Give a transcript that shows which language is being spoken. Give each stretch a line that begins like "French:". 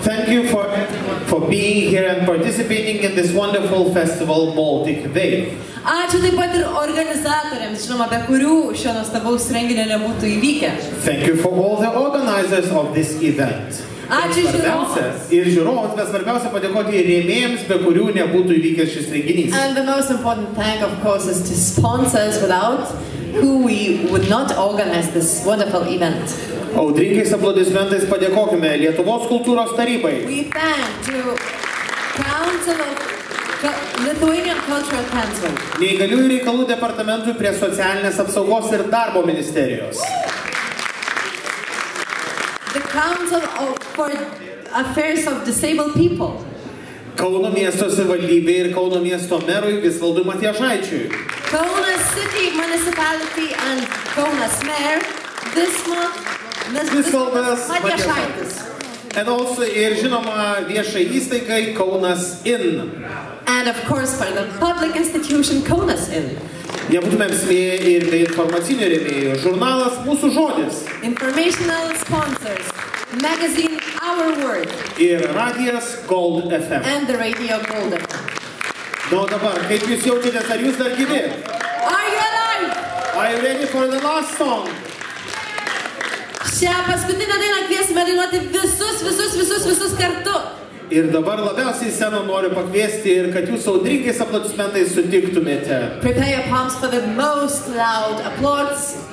English: Thank you for being here and participating in this wonderful festival, Baltic Wave.
Lithuanian: Ačiū taip pat ir organizatoriams, žinoma, be kurių šio nuostabaus renginio nebūtų įvykę.
English: Thank you for all the organizers of this event.
Lithuanian: Ačiū žiūrovams. Ir žiūrovams, bet svarbiausia padėkoti ir rėmėjams, be kurių nebūtų įvykęs šis renginys.
English: And the most important thank, of course, is to sponsors without who we would not organize this wonderful event.
Lithuanian: Audringais aplodismentais padėkokime Lietuvos kultūros tarybai.
English: We thank to Council of Lithuanian Cultural Council.
Lithuanian: Neįgaliųjų reikalų departamentui prie socialinės apsaugos ir darbo ministerijos.
English: The Council of, for Affairs of Disabled People.
Lithuanian: Kauno miesto savivaldybė ir Kauno miesto merui Visvaldui Matijošaičiui.
English: Kauno City Municipality and Kaunas Mayor this month.
Lithuanian: Visvaldas Matijošaitis.
English: And also
Lithuanian: ir žinoma viešai įstaigai Kaunas Inn.
English: And of course for the public institution Kaunas Inn.
Lithuanian: Nebūtume apsimėję ir be informacinio rėmėjo žurnalas Mūsų Žodis.
English: Informational sponsors, magazine Our Word.
Lithuanian: Ir radijas Gold FM.
English: And the radio Gold FM.
Lithuanian: Nu dabar, kaip jūs jaučiatės, ar jūs dar gyvi?
English: Are you alive? Are you ready for the last song?
Lithuanian: Šią paskutinę dieną kviesime dainuoti visus kartu. Ir dabar labiausiai sceną noriu pakviesti ir kad jūs audringais aplodismentais sutiktumėte.
English: Prepare your palms for the most loud applause.